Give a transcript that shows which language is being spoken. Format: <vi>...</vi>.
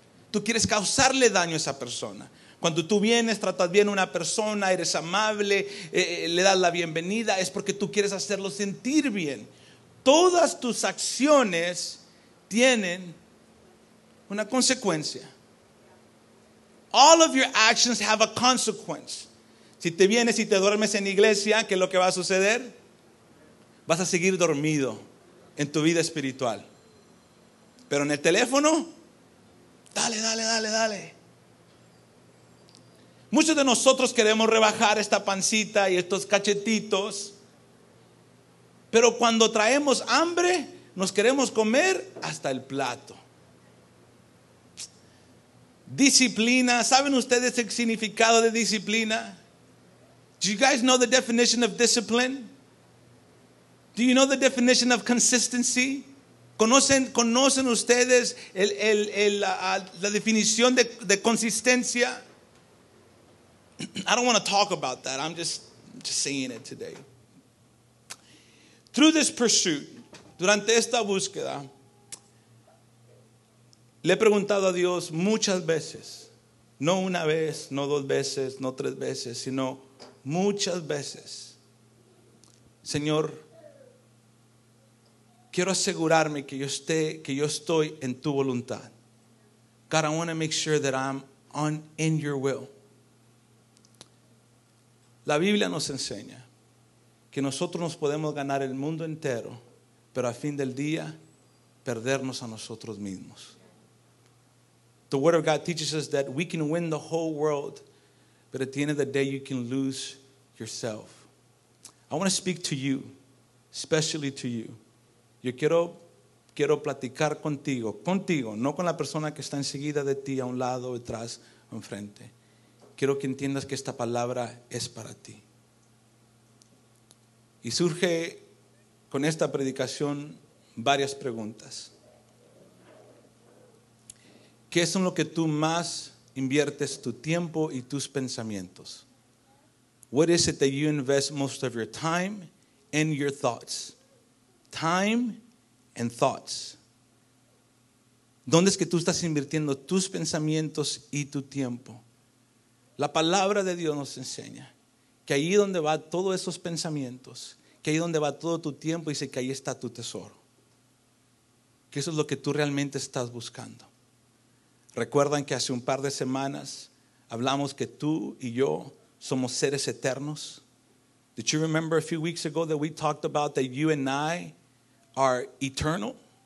<es>Tú quieres causarle daño a esa persona. Cuando tú vienes, tratas bien a una persona, eres amable, le das la bienvenida, es porque tú quieres hacerlo sentir bien. Todas tus acciones tienen una consecuencia.</es> <en>All of your actions have a consequence.</en> <es>Si te vienes y te duermes en iglesia, ¿qué es lo que va a suceder? Vas a seguir dormido en tu vida espiritual. Pero en el teléfono, dale, dale, dale, dale. Muchos de nosotros queremos rebajar esta pancita y estos cachetitos, pero cuando traemos hambre, nos queremos comer hasta el plato. Disciplina, ¿saben ustedes el significado de disciplina?</es> <en>Do you guys know the definition of discipline? Do you know the definition of consistency?</en> <es>¿Conocen ustedes la definición de consistencia?</es> <en>I don't want to talk about that. I'm just saying it today. Through this pursuit,</en> <es>durante esta búsqueda, le he preguntado a Dios muchas veces, no una vez, no dos veces, no tres veces, sino muchas veces. Señor, quiero asegurarme que yo estoy en tu voluntad.</es> <en>God, I want to make sure that I'm in your will.</en> <es>La Biblia nos enseña que nosotros nos podemos ganar el mundo entero, pero al fin del día, perdernos a nosotros mismos.</es> <en>The Word of God teaches us that we can win the whole world, but at the end of the day, you can lose yourself. I want to speak to you, especially to you.</en> <es>Yo quiero platicar contigo, no con la persona que está enseguida de ti, a un lado, detrás, enfrente. Quiero que entiendas que esta palabra es para ti. Y surge con esta predicación varias preguntas. ¿Qué es en lo que tú más inviertes tu tiempo y tus pensamientos?</es> <en>What is it that you invest most of your time and your thoughts? Time and thoughts.</en> <es>¿Dónde es que tú estás invirtiendo tus pensamientos y tu tiempo? La palabra de Dios nos enseña que ahí donde va todos esos pensamientos, que ahí donde va todo tu tiempo, dice que ahí está tu tesoro. Que eso es lo que tú realmente estás buscando. Recuerdan que hace un par de semanas hablamos que tú y yo somos seres eternos.</es> <en>Did you remember a few weeks ago that we talked about that you and I are eternal?</en>